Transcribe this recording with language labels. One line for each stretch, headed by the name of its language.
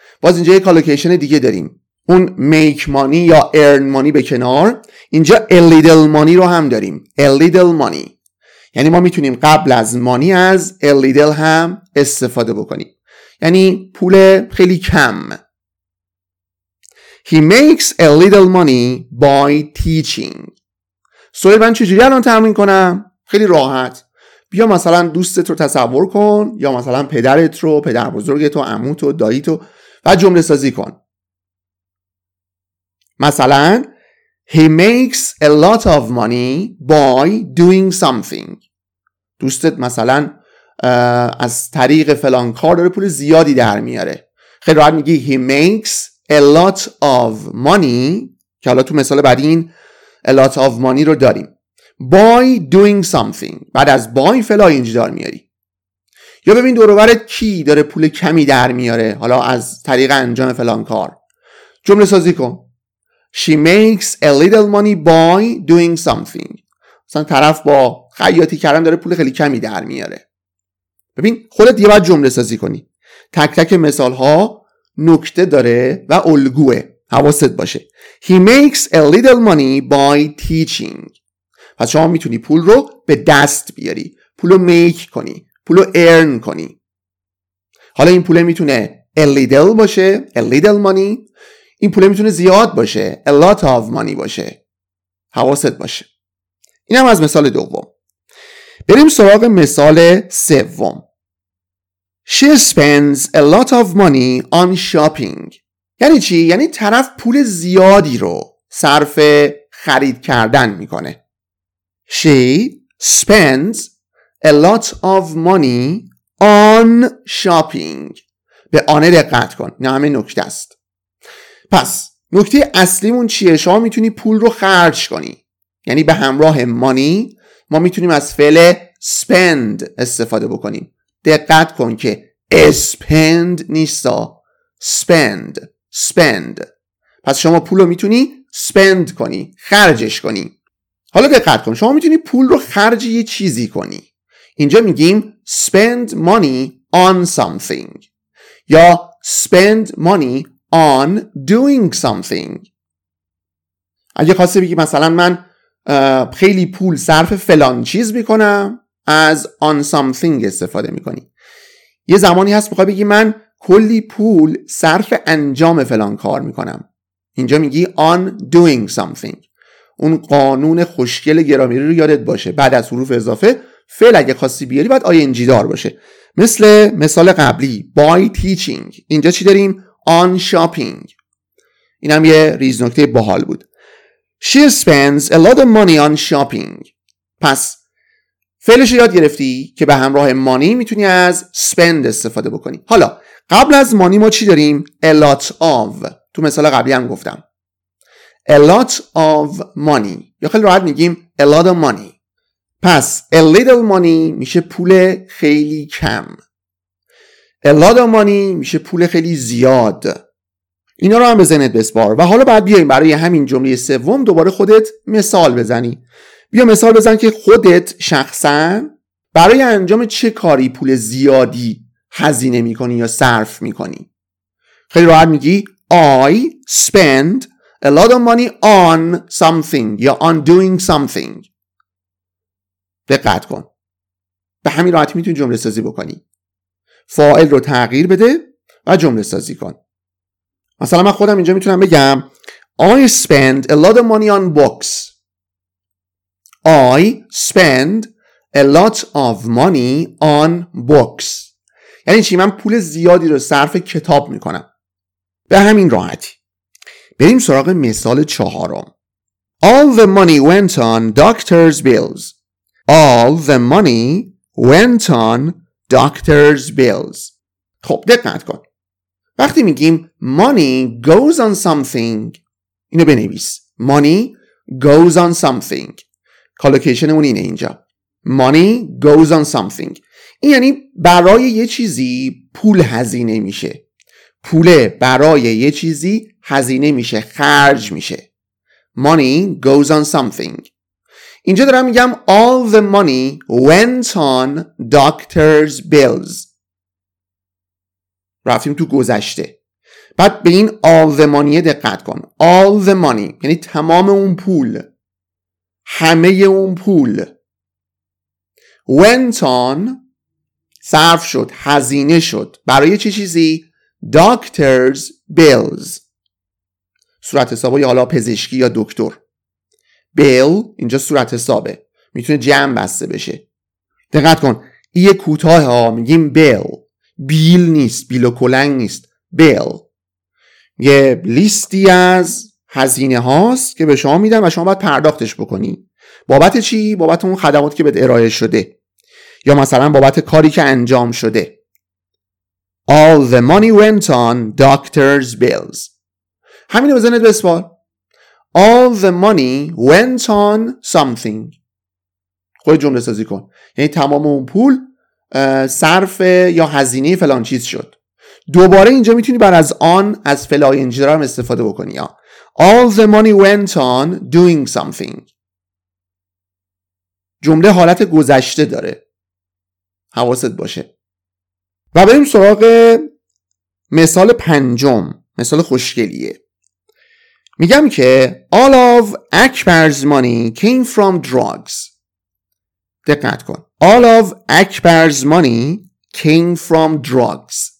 Persian: باز اینجا یک کالوکیشن دیگه داریم، اون
English: make money
Persian: یا
English: earn money
Persian: به کنار، اینجا
English: a little money
Persian: رو هم داریم، a little money. یعنی ما میتونیم قبل از مانی از a little هم استفاده بکنیم. یعنی پول خیلی کم.
English: He makes a little money by teaching.
Persian: سوهیل من چجوری الان تمرین کنم؟ خیلی راحت. بیا مثلا دوستت رو تصور کن، یا مثلا پدرت رو، پدر بزرگت رو، عموت و داییت رو، و جمله سازی کن. مثلا
English: He makes a lot of money by doing something.
Persian: دوستت مثلا از طریق فلان کار داره پول زیادی در میاره. خیلی راحت میگی
English: He makes a lot of money،
Persian: که حالا تو مثال بعد این
English: a lot of money
Persian: رو داریم،
English: by doing something.
Persian: بعد از by فلا اینجا دار میاری. یا ببین دور و برت کی داره پول کمی در میاره حالا از طریق انجام فلان کار. جمله سازی کن.
English: She makes a little money by doing something.
Persian: مثلا طرف با خیاطی کردن داره پول خیلی کمی در میاره. ببین خودت یه بار جمله سازی کنی. تک تک مثال ها نکته داره و الگوه. حواست باشه.
English: He makes a little money by teaching.
Persian: پس شما میتونی پول رو به دست بیاری. پول رو make کنی. پول رو earn کنی. حالا این پول میتونه a little باشه.
English: A little money.
Persian: این پول میتونه زیاد باشه،
English: a lot of money
Persian: باشه. حواست باشه. اینم از مثال دوم. بریم سراغ مثال سوم.
English: She spends a lot of money on shopping.
Persian: یعنی چی؟ یعنی طرف پول زیادی رو صرف خرید کردن میکنه.
English: She spends a lot of money on shopping.
Persian: به آن دقت کن. نه همه نکته است. پس نکته اصلیمون چیه؟ شما میتونی پول رو خرج کنی، یعنی به همراه money ما میتونیم از فعل spend استفاده بکنیم. دقت کن که spend نیستا، spend، spend. پس شما پول رو میتونی spend کنی، خرجش کنی. حالا دقت کن، شما میتونی پول رو خرج یه چیزی کنی. اینجا میگیم
English: spend money on something یا spend money on doing something.
Persian: اگه خواسته بگی مثلا من خیلی پول صرف فلان چیز میکنم، از
English: on something
Persian: استفاده میکنی. یه زمانی هست میخوای بگی من کلی پول صرف انجام فلان کار میکنم، اینجا میگی
English: on doing something.
Persian: اون قانون خوشگل گرامری رو یادت باشه، بعد از حروف اضافه فعل اگه خواستی بیاری باید ing دار باشه. مثل مثال قبلی
English: by teaching،
Persian: اینجا چی داریم؟
English: on shopping.
Persian: اینم یه ریز نکته باحال بود.
English: She spends a lot of money on shopping.
Persian: پس فعلش یاد گرفتی که به همراه money میتونی از spend استفاده بکنی. حالا قبل از money ما چی داریم؟
English: A lot of.
Persian: تو مثال قبلی هم گفتم
English: A lot of money،
Persian: یا خیلی راحت میگیم A lot of money. پس
English: A little money
Persian: میشه پول خیلی کم،
English: A lot of money
Persian: میشه پول خیلی زیاد. اینا رو هم به ذهنت بسپار و حالا بعد بیایم برای همین جمله سوم دوباره خودت مثال بزنی. بیا مثال بزن که خودت شخصا برای انجام چه کاری پول زیادی هزینه میکنی یا صرف میکنی. خیلی راحت میگی
English: I spend a lot of money on something یا on doing something.
Persian: دقت کن، به همین راحتی میتونی جمله سازی بکنی. فاعل رو تغییر بده و جمله سازی کن. مثلا من خودم اینجا میتونم بگم
English: I spend a lot of money on books. I spend a lot of money on books.
Persian: یعنی چی؟ من پول زیادی رو صرف کتاب میکنم. به همین راحتی. بریم سراغ مثال چهارم.
English: All the money went on doctor's bills. All the money went on doctor's bills.
Persian: خب دقت کن. وقتی میگیم
English: money goes on something،
Persian: اینو بنویس.
English: Money goes on something.
Persian: کالوکیشن اون اینه اینجا.
English: Money goes on something.
Persian: این یعنی برای یه چیزی پول هزینه میشه. پول برای یه چیزی هزینه میشه، خرج میشه.
English: Money goes on something.
Persian: اینجا دارم میگم
English: all the money went on doctor's bills.
Persian: رفتیم تو گذشته. بعد به این all the money دقت کن.
English: All the money
Persian: یعنی تمام اون پول، همه اون پول. Went on صرف شد، هزینه شد برای چه چیزی؟
English: Doctor's bills،
Persian: صورت حساب یا حالا پزشکی یا دکتر. بیل اینجا صورت حسابه، میتونه جمع بسته بشه. دقت کن ایه کوتاه ها، میگیم بیل. بیل نیست، بیل و کلنگ نیست، بیل. یه لیستی از هزینه هاست که به شما میدن و شما باید پرداختش بکنی. بابت چی؟ بابت اون خدماتی که بهت ارائه شده، یا مثلا بابت کاری که انجام شده.
English: All the money went on doctor's bills.
Persian: همینو بزنید بسپار.
English: All the money went on something.
Persian: خود جمله سازی کن. یعنی تمام اون پول صرف یا هزینه فلان چیز شد. دوباره اینجا میتونی بر از آن، از فلاینجی دارم استفاده بکنی.
English: All the money went on doing something.
Persian: جمله حالت گذشته داره. حواست باشه. و بریم سراغ مثال پنجم، مثال خوشگلیه. میگم که
English: All of Akbar's money came from drugs.
Persian: دقت کن.
English: All of Akbar's money came from drugs.